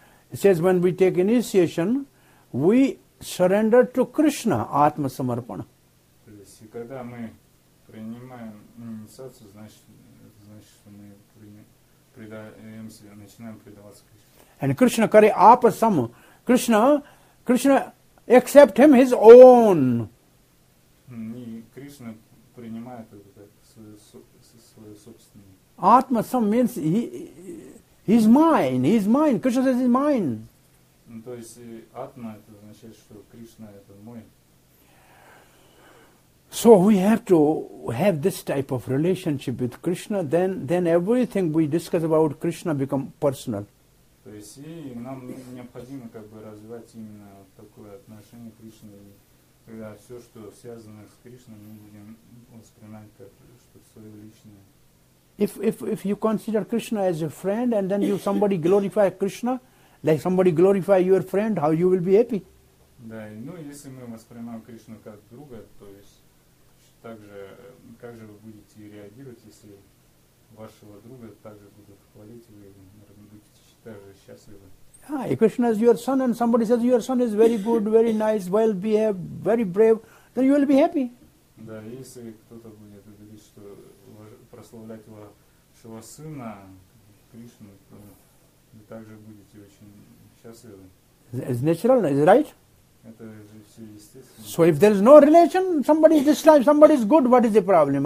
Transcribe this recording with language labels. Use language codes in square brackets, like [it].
[en] It says, when we take initiation, we surrender to Krishna, Atma Samarpana. [ru] То есть, когда мы принимаем инициацию, значит, что мы предаемся, начинаем предаваться Кришне. [bn] And Krishna kare apa sam. [en] Krishna accept him his own. [ru] И Кришна принимает это как свое собственное. [en] Atma sam means he's mine. Krishna says he's mine. [ru] То есть атма это означает, что Кришна это мой. [en] So we have to have this type of relationship with Krishna, then everything we discuss about Krishna become personal. [ru] То есть нам необходимо как бы развивать именно такое отношение к Кришне, и когда все, что связано с Кришной, мы будем воспринимать как что-то свое личное. [en] If you consider Krishna as a friend and then you somebody glorify Krishna, like somebody glorify your friend, how you will be happy? [ru] Да, ну если мы воспринимаем Кришну как друга, то есть также как же вы будете реагировать, если вашего друга также будут хвалить, вы будете также счастливы? [en] Ah, Krishna is your son, and somebody says your son is very good, very nice, well behaved, very brave, then you will be happy. [ru] Да, если кто-то будет говорить, что прославлять вашего сына Кришну, то вы также будете очень счастливы. [en] It's natural, is it right? [ru] Это же все естественно. [en] So if there is no relation, somebody is disliked, somebody is good, what is the problem?